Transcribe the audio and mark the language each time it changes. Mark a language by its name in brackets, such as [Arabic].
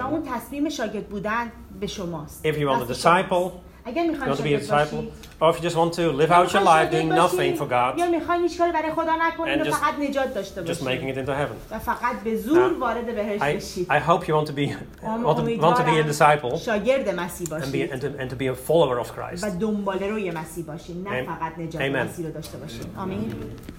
[Persian] اون تصمیم شاگرد بودن به شماست [English] if you want a disciple [Persian] اگر میخواین شاگرد باشید [English] or if you just want to live out your life doing nothing for God [Persian] یا میخواین هیچ کاری برای خدا نکنید و فقط نجات داشته باشید [English] just making it into heaven [Persian] و فقط به زور وارد بهش بشید [English] I hope you want to be a disciple [Persian] شاگرد مسیح باشید [English] and to be a follower of Christ [Persian] و دنباله روی مسیح باشید نه فقط نجات مسیح رو داشته باشید آمین